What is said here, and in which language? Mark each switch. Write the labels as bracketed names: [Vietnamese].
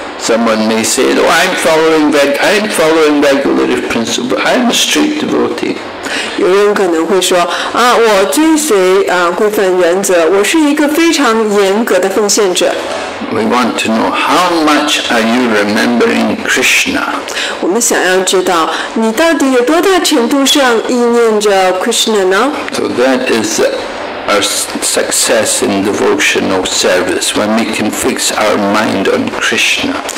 [English] Someone may say, "Oh, I'm following regulative principle. I'm a strict devotee." [Chinese] 有人可能会说，我追随规范原则，我是一个非常严格的奉献者。 [English] We want to know how much are you remembering Krishna? [Chinese] 我们想要知道你到底有多大程度上意念着 Krishna 呢？ [English] So that is our success in devotional service when we can fix our mind on Krishna.